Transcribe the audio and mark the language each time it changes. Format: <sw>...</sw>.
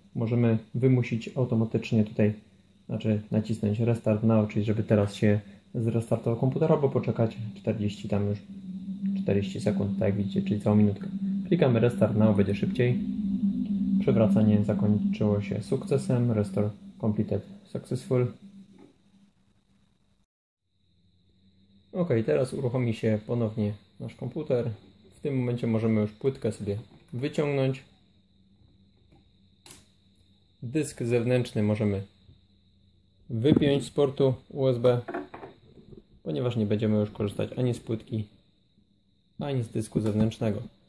<pl>Możemy wymusić automatycznie tutaj, znaczy nacisnąć restart now, czyli żeby teraz się zrestartował komputer, albo poczekać 40 tam już 40 sekund, tak jak widzicie, czyli całą minutkę. Klikamy restart now, będzie szybciej. Przywracanie zakończyło się sukcesem.</pl> <en>Restore completed successful.</en> <pl>Ok, teraz uruchomi się ponownie nasz komputer. W tym momencie możemy już płytkę sobie wyciągnąć. Dysk zewnętrzny możemy wypiąć z portu USB, ponieważ nie będziemy już korzystać ani z płytki, ani z dysku zewnętrznego.</pl>